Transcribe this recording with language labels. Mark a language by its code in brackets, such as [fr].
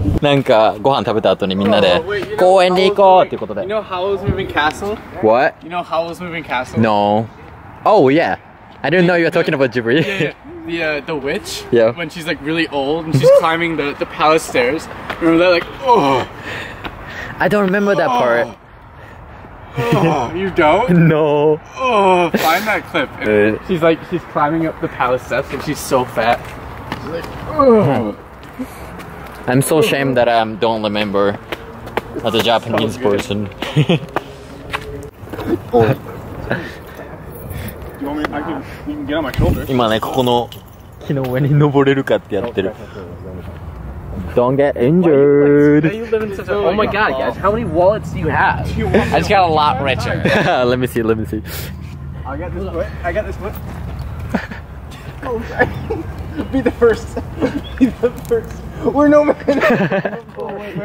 [ja] なんかご飯食べた後にみんなで公園で行こうっていうことで。 [en] You know Howl's Moving Castle? What? You know Howl's Moving Castle? No. Oh yeah. I didn't know you were talking about Ghibli. The witch. Yeah. When she's like really old and she's climbing the palace stairs. Remember that? Like, oh. I don't remember that part. Oh, you don't? No. Oh, find that clip. She's like, she's climbing up the palace steps and she's so fat. She's like, oh. I'm so ashamed that I don't remember as a Japanese person. You want me, you can get on my shoulders. [ja] 今ね、ここの木の上に登れるかってやってる。 [en] Don't get injured. Oh my god, guys, how many wallets do you have? I just got a lot richer. let me see. I got this one. Oh, sorry. Be the first. We're no man.